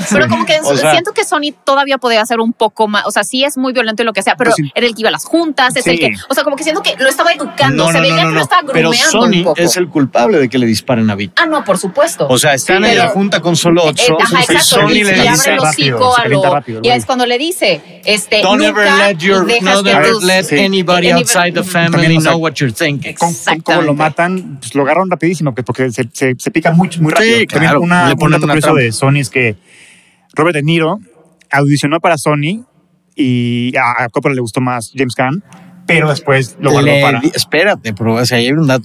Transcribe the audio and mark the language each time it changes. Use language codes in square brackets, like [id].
[es] Pero como que siento que Sonny todavía podía ser un poco más, o sea, sí es muy violento y lo que sea, pero era el que iba a las juntas, es el que... O sea, como que siento que lo estaba educando, lo estaba grumeando. Pero Sonny es el culpable de que le disparen a Vito. Ah, no, por supuesto. O sea, están en la junta con Solocho, y Sonny le dice... Y es cuando le dice... [en] Don't ever let anybody outside the family know what you're thinking. [es] Como lo matan, lo agarran rapidísimo, porque se pica muy rápido. Sí, también claro, un dato curioso de Sonny es que Robert De Niro audicionó para Sonny y a Coppola le gustó más James Caan, pero después lo guardó hay un dato.